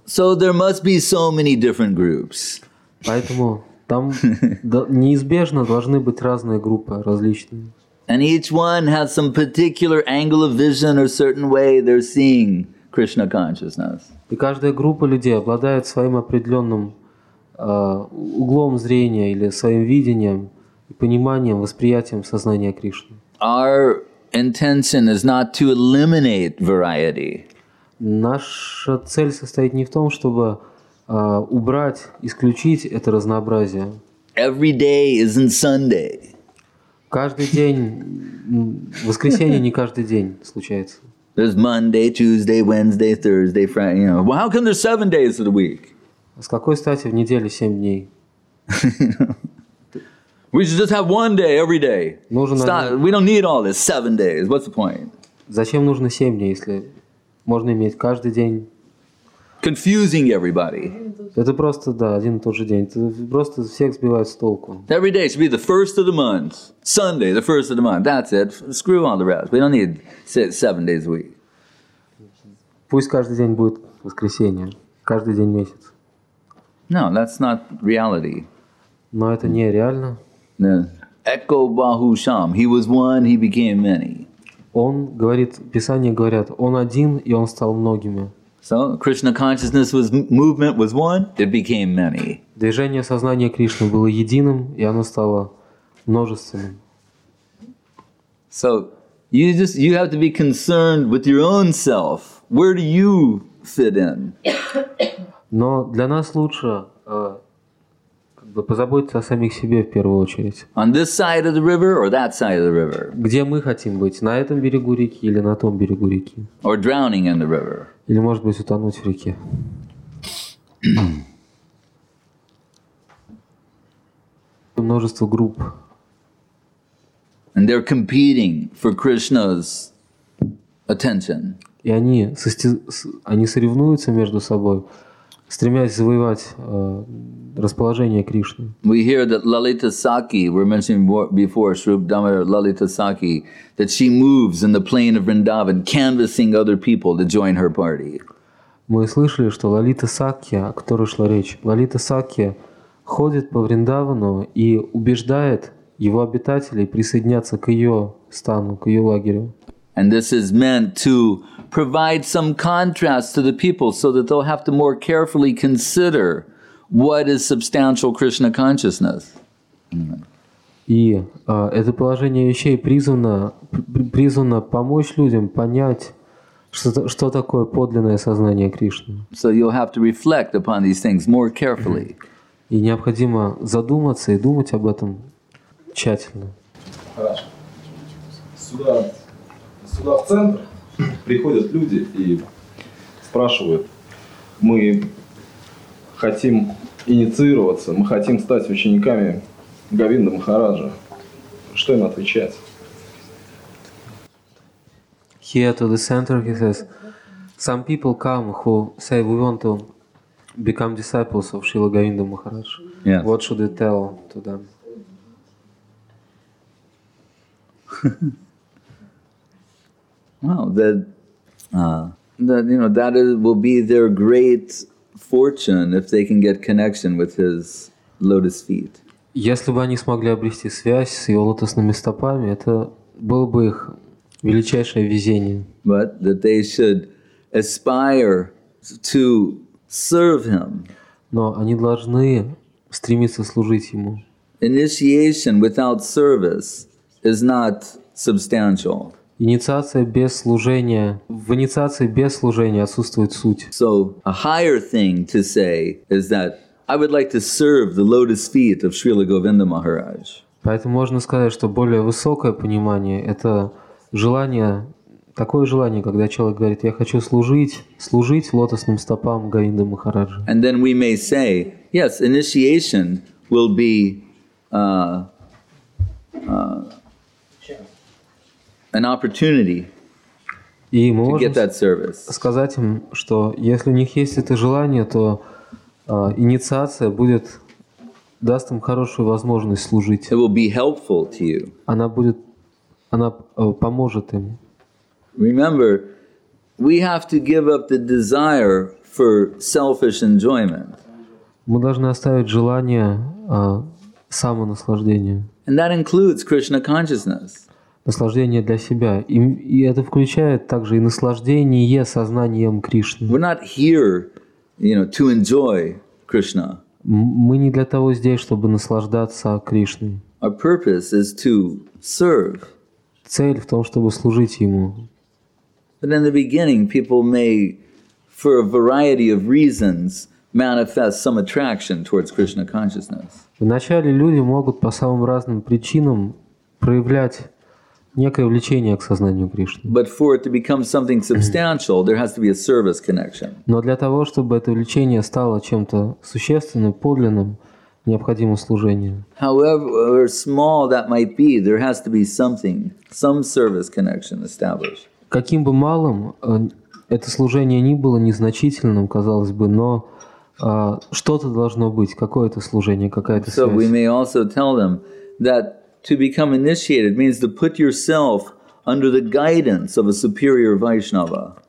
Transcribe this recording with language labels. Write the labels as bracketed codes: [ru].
[en] So there must be so many different groups. [ru] Поэтому там неизбежно должны быть разные группы, различные. [en] And each one has some particular angle of vision or certain way they're seeing Krishna consciousness. [ru] И каждая группа людей обладает своим определенным углом зрения или своим видением, пониманием, восприятием сознания Кришны. [en] Our intention is not to eliminate variety. [ru] Наша цель состоит не в том, чтобы убрать, исключить это разнообразие. [en] Every day isn't Sunday. [ru] Каждый день, воскресенье не каждый день случается. [en] There's Monday, Tuesday, Wednesday, Thursday, Friday, you know. Well, how come there's 7 days of the week? [ru] С какой стати в неделю 7 дней? [en] We should just have one day every day. [ru] Нужно. [en] We don't need all this 7 days. What's the point? [ru] Зачем нужно 7 дней, если можно иметь каждый день? [en] Confusing everybody. [ru] Это просто, да, один и тот же день. Это просто всех сбивает с толку. [en] Every day should be the first of the month. Sunday, the first of the month. That's it. Screw all the rest. We don't need 7 days a week. [ru] Пусть каждый день будет воскресенье. Каждый день месяц. [en] No, that's not reality. [ru] Но это не реально. [en] Echo Bahu Sham. He was one, he became many. [ru] Он говорит, Писание говорят, он один, и он стал многими. [en] So Krishna consciousness was movement was one, it became many. [ru] Движение сознания Кришны было единым, и оно стало множественным. [en] So you have to be concerned with your own self. Where do you fit in? [ru] Но для нас лучше позаботиться о самих себе в первую очередь. [en] On this side of the river or that side of the river? [ru] Где мы хотим быть, на этом берегу реки или на том берегу реки? [en] Or drowning in the river? [ru] Или, может быть, утонуть в реке? Множество групп. [en] And they're competing for Krishna's attention. [ru] И они соревнуются между собой, стремясь завоевать расположение Кришны. [en] We hear that Lalita Sakhi, we're mentioning before, Shrub Damodar Lalita Sakhi, that she moves in the plain of Vrindavan, canvassing other people to join her party. [ru] Мы слышали, что Лалита Сакхи, о которой шла речь, Лалита Сакхи ходит по Вриндавану и убеждает его обитателей присоединяться к ее стану, к ее лагерю. [en] And this is meant to provide some contrast to the people so that they'll have to more carefully consider what is substantial Krishna consciousness. [ru] И это положение вещей призвано помочь людям понять, что такое подлинное сознание Кришны. [en] So you'll have to reflect upon these things more carefully. [ru] И необходимо задуматься и думать об этом тщательно. Сюда в центр приходят люди и спрашивают, мы хотим инициироваться, мы хотим стать учениками Говинда Махараджа. Что им отвечать? [en] Here to the center, he says, some people come who say we want to become disciples of Srila Govinda Maharaj. Yes. What should we tell to them? Well, that will be their great fortune if they can get connection with his lotus feet. [ru] Если бы они смогли обрести связь с его лотосными стопами, это было бы их величайшее везение. [en] But that they should aspire to serve him. [ru] Но они должны стремиться служить ему. [en] Initiation without service is not substantial. [ru] Инициация без служения. В инициации без служения отсутствует суть. [en] So, a higher thing to say is that I would like to serve the lotus feet of Srila Govinda Maharaj. [ru] Поэтому можно сказать, что более высокое понимание — это желание, такое желание, когда человек говорит, я хочу служить лотосным стопам Говинды Махараджи. [en] And then we may say, yes, initiation will be an opportunity to get that service. [ru] Сказать им, что если у них есть это желание, то инициация будет даст им хорошую возможность служить. [en] It will be helpful to you. [ru] Она поможет им. [en] Remember, we have to give up the desire for selfish enjoyment. [ru] Мы должны оставить желание самонаслаждения. [en] And that includes Krishna consciousness. [ru] Наслаждение для себя. И это включает также и наслаждение сознанием Кришны. [en] We're not here, you know, to enjoy Krishna. [ru] Мы не для того здесь, чтобы наслаждаться Кришной. [en] Our purpose is to serve. [ru] Цель в том, чтобы служить Ему. [en] But in the beginning, people may, for a variety of reasons, manifest some attraction towards Krishna consciousness. [ru] Вначале люди могут по самым разным причинам проявлять некое влечение к сознанию Кришны. [en] But for it to become something substantial, there has to be a service connection. [ru] Но для того, чтобы это влечение стало чем-то существенным, подлинным, необходимо служение. [en] However small that might be, there has to be something, some service connection established. [ru] Каким бы малым это служение ни было, незначительным, казалось бы, но что-то должно быть, какое-то служение, какая-то связь. [en] So we may also tell them that to become initiated means to put yourself under the guidance of a superior Vaishnava.